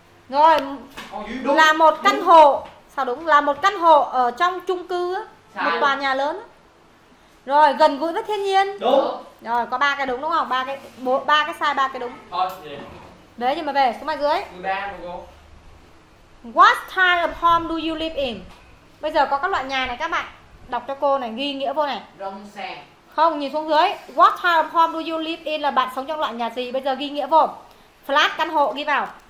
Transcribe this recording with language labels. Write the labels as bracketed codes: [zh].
[vi] Rồi. Đúng. Rồi. Đúng. Là một căn hộ. Sao đúng? Là một căn hộ ở trong chung cư á, một tòa nhà lớn. Rồi, gần gũi với thiên nhiên. Đúng. Rồi, có 3 cái đúng đúng không? Ba cái sai, 3 cái đúng. Thôi. Đấy nhưng mà về xuống bài dưới. 13 đúng không? [en] What type of home do you live in? [vi] Bây giờ có các loại nhà này các bạn. Đọc cho cô này, ghi nghĩa vô này. Rông sàn. Không, nhìn xuống dưới. [en] What type of home do you live in [vi] là bạn sống trong loại nhà gì? Bây giờ ghi nghĩa vô. Flat căn hộ ghi vào.